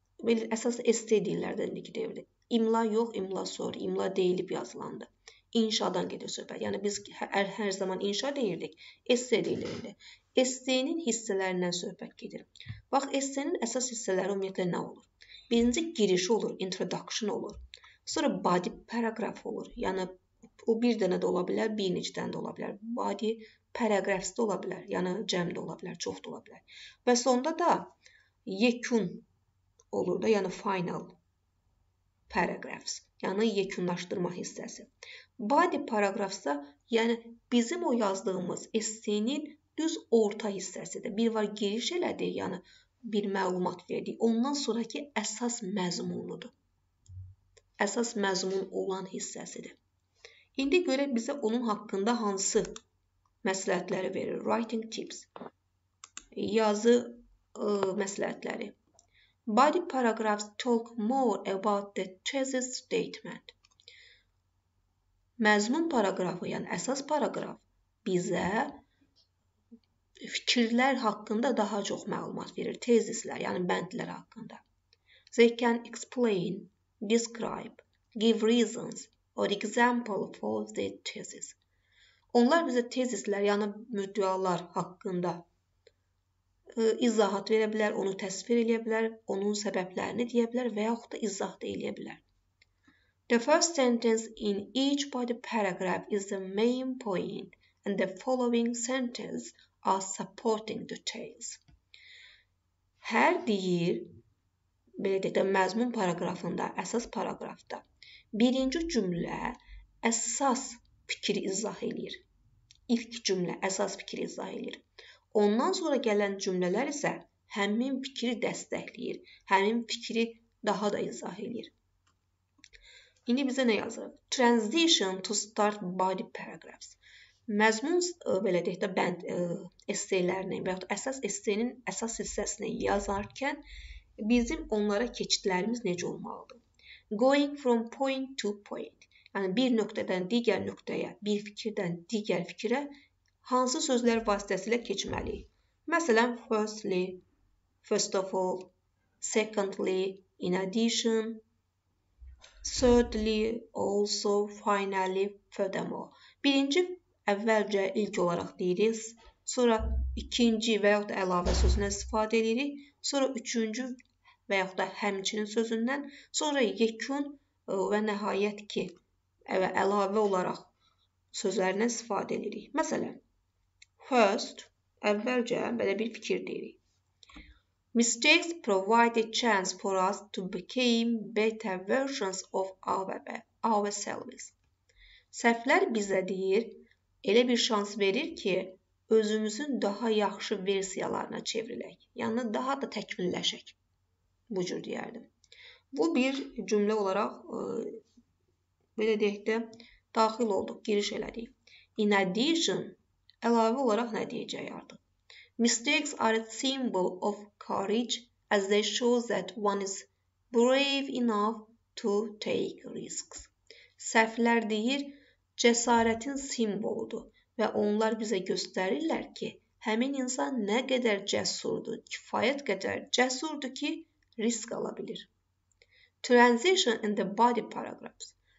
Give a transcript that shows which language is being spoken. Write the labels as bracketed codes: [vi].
[az] Belə, əsas essay deyirlər də indiki deyirlər. İmla yox, imla sonra, imla deyilib yazılandı. İnşadan gedir söhbət. Yəni, biz hər zaman inşa deyirdik, esse deyilirdi. Essenin hissələrindən söhbət gedir. Bax, essenin əsas hissələri ümumiyyətlə nə olur? Birinci girişi olur, introduction olur. Sonra body paragraph olur. Yəni, o bir dənə də ola bilər, bir neçə dənə də ola bilər. Body paragraphs da ola bilər. Yəni, cəm də ola bilər, çox da ola bilər. Və sonda da yekun olur da, yəni final paragraphs. Yəni, yekunlaşdırma hissəsi. Body paragrafsa, yəni bizim o yazdığımız essenin düz orta hissəsidir. Bir var giriş elədi, yəni bir məlumat verdi. Ondan sonraki əsas məzmunudur. Əsas məzmun olan hissəsidir. İndi görək bizə onun haqqında hansı məsləhətləri verir. [en] Writing tips. [az] Yazı məsləhətləri. [en] Body paragraphs talk more about the thesis statement. [az] Məzmun paragrafı, yəni əsas paragraf, bizə fikirlər haqqında daha çox məlumat verir, tezislər, yəni bəndlər haqqında. [en] They can explain, describe, give reasons or example for the thesis. [az] Onlar bizə tezislər, yəni müddialar haqqında izahat verə bilər, onu təsvir edə bilər, onun səbəblərini deyə bilər və yaxud da izah da eləyə bilər. [en] The first sentence in each body paragraph is the main point and the following sentences are supporting details. [az] Hər deyir, belə deyək də, məzmun paragrafında, əsas paragrafda birinci cümlə əsas fikri izah eləyir. İlk cümlə əsas fikri izah eləyir. Ondan sonra gələn cümlələr isə həmin fikri dəstəkləyir, həmin fikri daha da izah eləyir. İndi bizə nə yazılır? [en] Transition to start body paragraphs. [az] Məzmun belə deyək də bənd esseylərini və yaxud əsas esseyin əsas hissəsini yazarkən bizim onlara keçidlərimiz necə olmalıdır? [en] Going from point to point. [az] Yəni bir nöqtədən digər nöqtəyə, bir fikirdən digər fikrə hansı sözlər vasitəsilə keçməliyik? Məsələn, [en] firstly, first of all, secondly, in addition, thirdly, also, finally, furthermore. [az] Birinci, əvvəlcə, ilk olaraq deyirik, sonra ikinci və yaxud da əlavə sözünə istifadə edirik, sonra üçüncü və yaxud da həmçinin sözündən, sonra yekun və nəhayət ki, əlavə olaraq sözlərinə istifadə edirik. Məsələn, first, əvvəlcə, belə bir fikir deyirik. [en] Mistakes provide a chance for us to become better versions of ourselves. [az] Səhvlər bizə deyir, elə bir şans verir ki, özümüzün daha yaxşı versiyalarına çevrilək. Yəni, daha da təkmilləşək. Bu cür deyərdim. Bu bir cümlə olaraq, belə deyək də, daxil olduq, giriş elədik. [en] In addition, [az] əlavə olaraq nə deyəcək artıq? [en] Mistakes are a symbol of courage as they show that one is brave enough to take risks. [az] Səhvlər deyir, cəsarətin simvoludur və onlar bizə göstərirlər ki, Həmin insan nə qədər cəsurdur, kifayət qədər cəsurdur ki, risk ala bilir. [en] Transition in the body paragraphs.